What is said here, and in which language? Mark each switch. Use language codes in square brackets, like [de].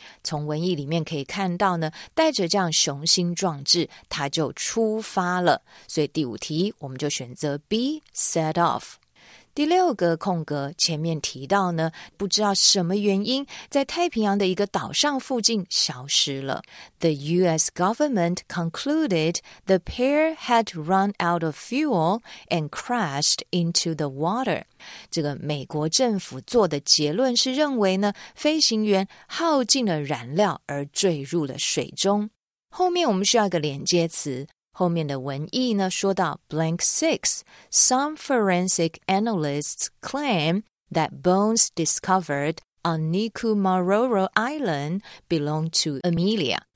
[zh] 从文意里面可以看到呢，带着这样雄心壮志，他就出发了。所以第五题，我们就选择 B, set off。第六个空格前面提到呢，不知道什么原因在太平洋的一个岛上附近消失了。 [en] The US government concluded the pair had run out of fuel and crashed into the water. [zh] 这个美国政府做的结论是认为呢，飞行员耗尽了燃料而坠入了水中。后面我们需要一个连接词，后面的文意呢说到 [en] blank six, some forensic analysts claim that bones discovered on Nikumaroro Island belong to Amelia.